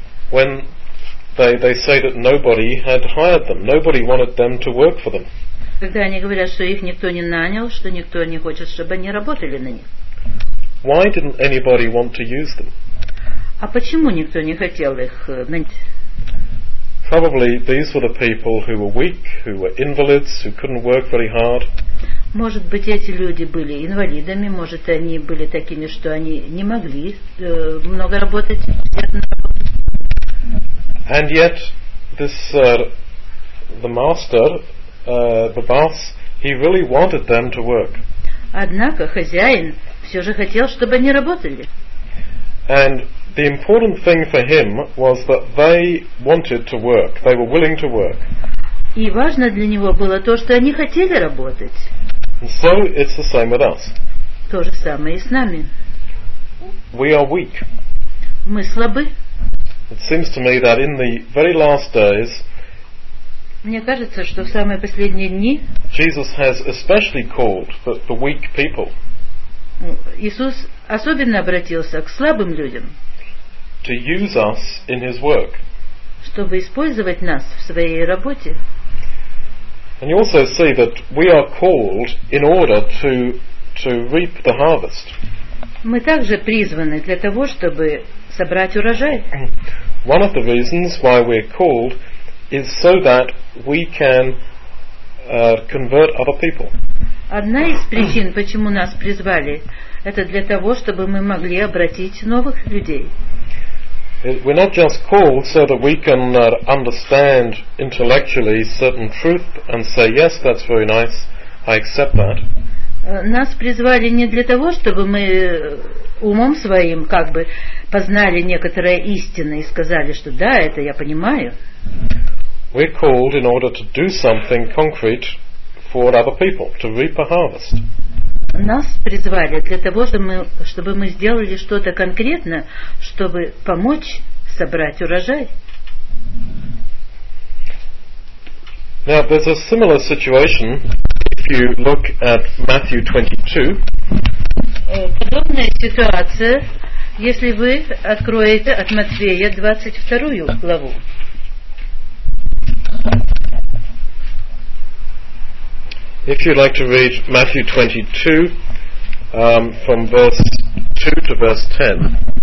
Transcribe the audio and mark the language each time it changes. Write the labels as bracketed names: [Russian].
[English] When they say that nobody had hired them, nobody wanted them to work for them. [Russian] Когда они говорят, что их никто не нанял, что никто не хочет, чтобы они работали на них. [English] Why didn't anybody want to use them? [Russian] А почему никто не хотел их нанять? [English] Probably these were the people who were weak, who were invalids, who couldn't work very hard. [Russian] Может быть, эти люди были инвалидами, может, они были такими, что они не могли много работать. [English] And yet, this the master, the boss, he really wanted them to work. [Russian] Однако хозяин все же хотел, чтобы они работали. [English] And the important thing for him was that they wanted to work. They were willing to work. [Russian] И важно для него было то, что они хотели работать. [English] And so it's the same with us. [Russian] То же самое и с нами. [English] We are weak. [Russian] Мы слабы. [English] It seems to me that in the very last days, [Russian] мне кажется, что в самые последние дни [English] Jesus has especially called the weak people. [Russian] Иисус особенно обратился к слабым людям. [English] To use us in his work. [Russian] Чтобы использовать нас в своей работе. [English] And you also see that we are called in order to reap the harvest. [Russian] Мы также призваны для того, чтобы собрать урожай. [English] One of the reasons why we're called is so that we can convert other people. [Russian] Одна из причин, почему нас призвали, это для того, чтобы мы могли обратить новых людей. [English] We're not just called so that we can understand intellectually certain truth and say, yes, that's very nice, I accept that. [Russian] Нас призвали не для того, чтобы мы умом своим как бы познали некоторые истины и сказали, что да, это я понимаю. [English] We're called in order to do something concrete for other people, to reap a harvest. [Russian] Нас призвали для того, чтобы мы сделали что-то конкретно, чтобы помочь собрать урожай. [English] Now, there's a similar situation if you look at Matthew 22. [Russian] Подобная ситуация, если вы откроете от Матфея 22 главу. [English] If you'd like to read Matthew 22, from verse 2 to verse 10.